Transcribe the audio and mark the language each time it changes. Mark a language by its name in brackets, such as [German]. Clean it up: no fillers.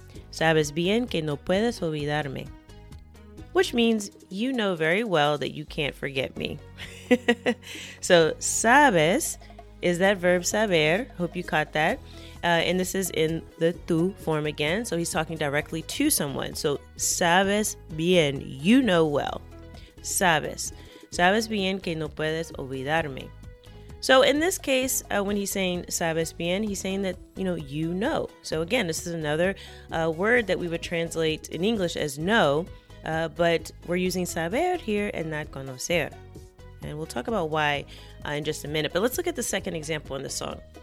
[Spanish] Sabes bien que no puedes olvidarme. [English] Which means, you know very well that you can't forget me. So sabes is that verb saber. Hope you caught that. And this is in the tú form again. So he's talking directly to someone. So [Spanish] sabes bien, [English] you know well. [Spanish] Sabes. Sabes bien que no puedes olvidarme. [English] So in this case, when he's saying [Spanish] sabes bien, [English] he's saying that, you know. So again, this is another word that we would translate in English as know, but we're using saber here and not conocer. And we'll talk about why in just a minute. But let's look at the second example in the song.